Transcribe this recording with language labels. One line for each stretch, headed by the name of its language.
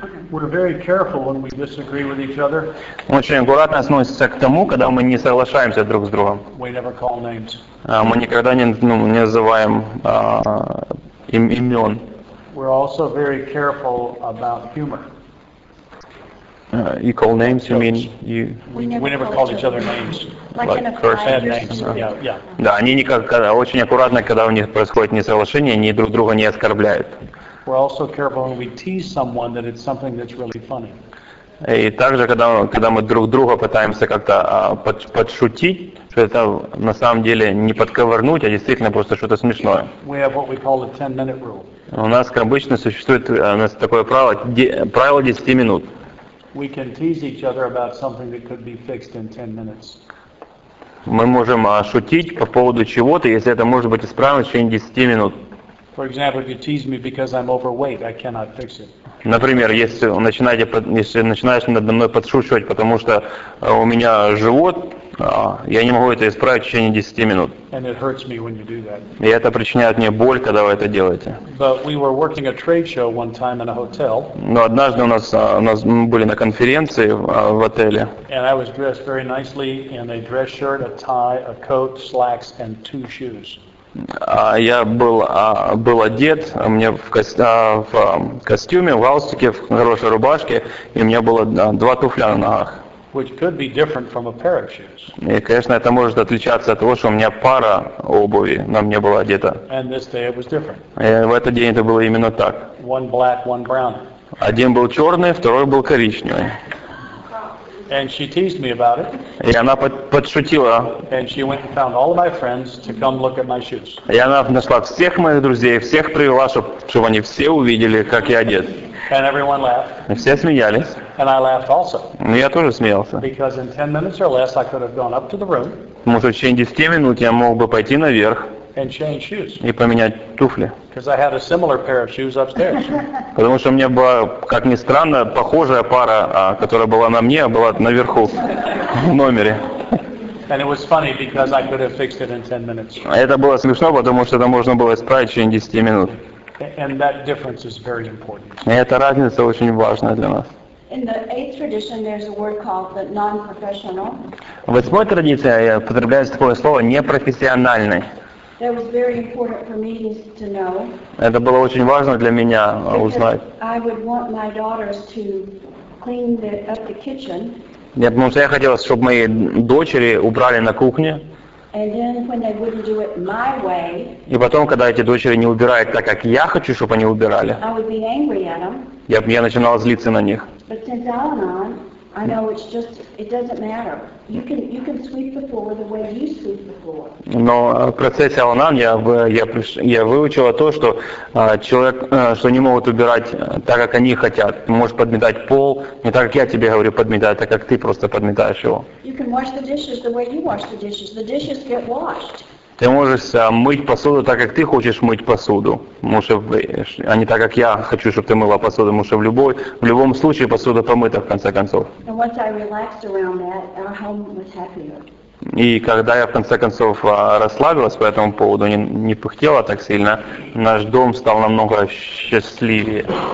English: We're very careful when we disagree with each other.
Russian: Мы очень аккуратно относимся к тому, когда мы не соглашаемся друг с другом.
English: We never call names.
Russian: Мы никогда не называем имен.
English: We're also very careful about humor. You call names, you mean you... We never call each other names. Like in a bad names. Yeah.
Russian: Да, они очень аккуратно, когда у них происходит несоглашение, они друг друга не оскорбляют.
English: We're also careful when we tease someone that it's something that's really funny.
Russian: И также, когда мы друг друга пытаемся как-то подшутить, что это на самом деле не подковырнуть, а действительно просто что-то смешное.
English: We have what we call the 10-minute rule.
Russian: У нас, как обычно, существует такое правило, правило 10 минут.
English: We can tease each other about something that could be fixed in 10 minutes.
Russian: Мы можем шутить по поводу чего-то, если это может быть исправлено в течение 10 минут.
English: For example, if you tease me because I'm overweight, I cannot fix it.
Russian: Например, если начинаешь надо мной подшучивать, потому что у меня живот, я не могу это исправить в течение 10 минут.
English: And it hurts me when you do that.
Russian: И это причиняет мне боль, когда вы это делаете.
English: But we were working a trade show one time in a hotel.
Russian: Но однажды у нас мы были на конференции в отеле.
English: And I was dressed very nicely in a dress shirt, a tie, a coat, slacks, and two shoes.
Russian: Я был одет, у меня в костюме, в галстуке, в хорошей рубашке, и у меня было два туфля на ногах.
English: Which could be different from a pair of shoes.
Russian: И, конечно, это может отличаться от того, что у меня пара обуви на мне была одета.
English: And this day it was different.
Russian: И в этот день это было именно так.
English: One black, one brown.
Russian: Один был черный, второй был коричневый.
English: And she teased me about it.
Russian: И она подшутила.
English: And she went and found all of my friends to come look at my shoes.
Russian: И она нашла всех моих друзей, всех привела, чтобы они все увидели, как я одет.
English: And everyone laughed.
Russian: И все смеялись.
English: And I laughed also.
Russian: И я тоже смеялся.
English: Because in 10 minutes or less, I could have gone up to the room.
Russian: Потому что в течение 10 минут я мог бы пойти наверх.
English: And change shoes.
Russian: И поменять туфли.
English: Because I had a similar pair of shoes upstairs.
Russian: Потому что у меня была, как ни странно, похожая пара, которая была на мне, была наверху в номере.
English: And it was funny because I could have fixed it in 10 minutes.
Russian: Это было смешно, потому что это можно было исправить в течение 10 минут.
English: And that difference is very important.
Russian: И эта разница очень важна для нас.
English: In the eighth tradition, there's a word called the non-professional.
Russian: В восьмой традиции употребляется такое слово непрофессиональный.
English: That was very important for me to know.
Russian: Это было очень важно для меня узнать.
English: Because I would want my daughters to clean up the kitchen.
Russian: Нет, потому что я хотел, чтобы мои дочери убрали на кухне.
English: And then when they wouldn't do it my way.
Russian: И потом, когда эти дочери не убирают так, как я хочу, чтобы они убирали.
English: I would be angry at them.
Russian: Я начинал злиться на них.
English: But since Al-Anon, I know it's just it doesn't matter. You can sweep the floor the way you sweep the floor.
Russian: Но в процессе Al-Anon я выучил то, что человек, что не могут убирать так, как они хотят. Ты можешь подметать пол не так, как я тебе говорю подметать, так как ты просто подметаешь его.
English: You can wash the dishes the way you wash the dishes. The dishes get washed.
Russian: Ты можешь мыть посуду так, как ты хочешь мыть посуду, а не так, как я хочу, чтобы ты мыла посуду, потому что в любом случае посуда помыта, в конце концов.
English: That,
Russian: и когда я, в конце концов, расслабилась по этому поводу, не пыхтела так сильно, наш дом стал намного счастливее.